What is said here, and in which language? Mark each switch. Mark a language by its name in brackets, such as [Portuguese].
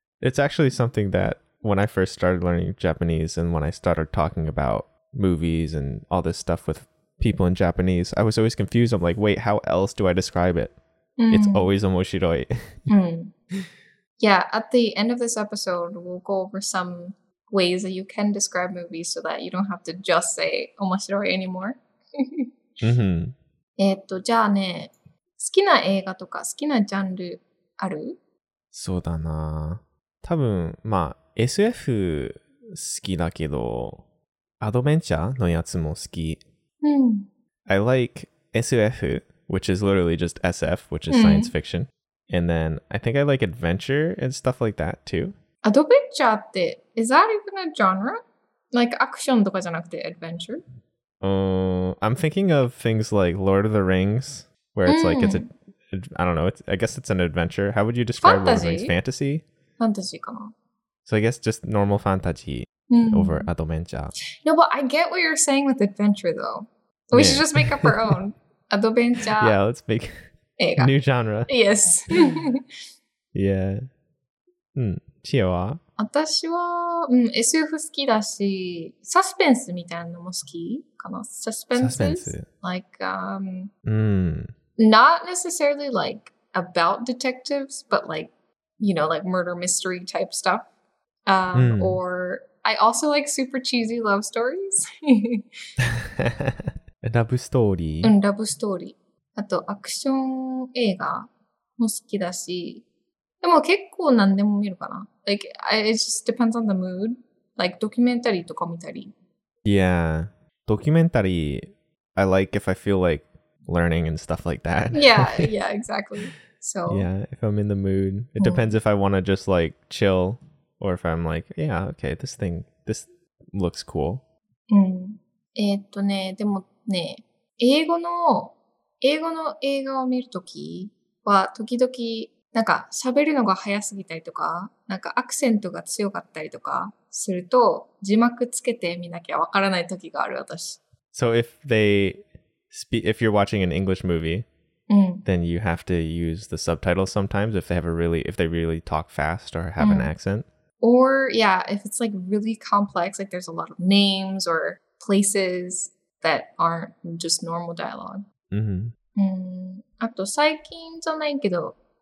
[English] It's actually something that when I first started learning Japanese and when I started talking about movies and all this stuff with people in Japanese, I was always confused. I'm like, wait, how else do I describe it? It's always 面白い. Yeah, at the end of this episode, we'll go over some ways that you can describe movies so that you don't have to just say 面白い anymore. [Japanese] じゃあね、好きな映画とか好きなジャンルある？そうだな。多分、まあ、SF 好きだけど、アドベンチャーのやつも好き。 [English] I like SF, which is literally just SF, which is science fiction. And then I think I like adventure and stuff like that too. アドベンチャーって、is that even a genre? Like [Japanese] アクションとかじゃなくて [English] adventure? I'm thinking of things like Lord of the Rings, where it's like, it's a, I don't know, it's, I guess it's an adventure. How would you describe fantasy? Lord of the Rings? Fantasy? [Japanese] Fantasy かな? [English] So I guess just normal fantasy over adventure. No, but I get what you're saying with adventure though. We should just make up our own. Adventure. Yeah, let's make a new genre. Yes. Yeah. Chie wa? [Japanese] 私は、SF 好きだし、サスペンスみたいなのも好きかな。サスペンス [English] Like, not necessarily like about detectives, but like, you know, like murder mystery type stuff. Or, I also like super cheesy love stories. [Japanese] ラブストーリー。あと、アクション映画も好きだし、でも結構何でも見るかな。 [English] Like, it just depends on the mood. Like, [Japanese] ドキュメンタリーとか見たり。 [English] Yeah. ドキュメンタリー、I like if I feel like learning and stuff like that. Yeah, yeah, exactly. So. Yeah, if I'm in the mood. It depends if I want to just like chill or if I'm like, yeah, okay, this looks cool. [Japanese] でもね、英語の映画を見るときは時々なんか喋るのが早すぎたりとか、なんかアクセントが強かったりとかすると字幕つけて見なきゃわからない時がある私。 [English] So if they speak, if you're watching an English movie,、 [Japanese] うん、 [English] then you have to use the subtitles sometimes if they really talk fast or have、うん、an accent. Or yeah, if it's like really complex, like there's a lot of names or places that aren't just normal dialogue. Mm-hmm. [Japanese] あと最近じゃないけど。